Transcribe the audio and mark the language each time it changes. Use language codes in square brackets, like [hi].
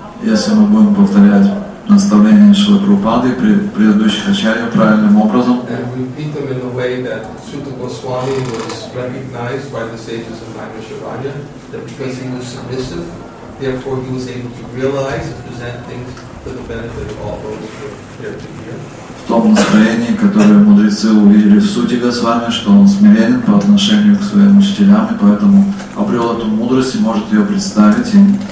[ru] Если мы будем повторять наставления Шрилы Прабхупады при предыдущих ачарьях правильным образом. [en] And repeat them in the way that Sutta Goswami was recognized by the sages of Naimisharanya, that because he was submissive, therefore he was able to realize and present things for the benefit of all those who are here to hear. [ru] В том настроении, которое мудрецы увидели в сути Госвами, что он смиренен по отношению к своим учителям, и поэтому обрел эту мудрость и может ее представить им.